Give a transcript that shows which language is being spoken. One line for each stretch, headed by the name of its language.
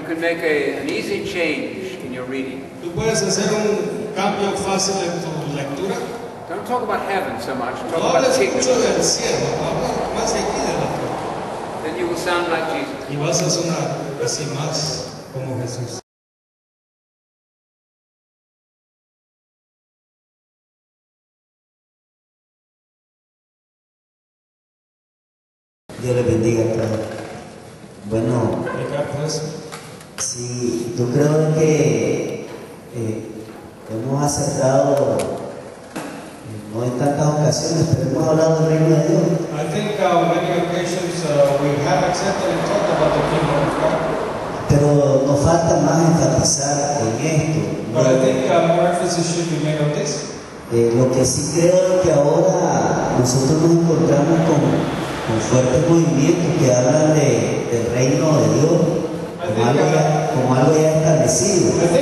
English: You can make an easy change in your reading.
Spanish: ¿Tú puedes hacer un cambio fácil en tu lectura?
English: Don't talk about heaven so much. Talk
Spanish: no hables mucho del cielo, habla más de aquí de la tierra.
English: Then you will sound like Jesus.
Spanish: Y vas a sonar así más como Jesús. Dios le bendiga a todos. Bueno, sí, yo creo que hemos acertado, no en tantas ocasiones, pero hemos hablado del reino de Dios.
English: I think many occasions we have accepted and talked about the kingdom of God.
Spanish: Pero nos falta más enfatizar en esto.
English: But I think more emphasis should be made on this.
Spanish: Lo que sí creo es que ahora nosotros nos encontramos con fuertes movimientos que hablan del reino de Dios como algo ya establecido.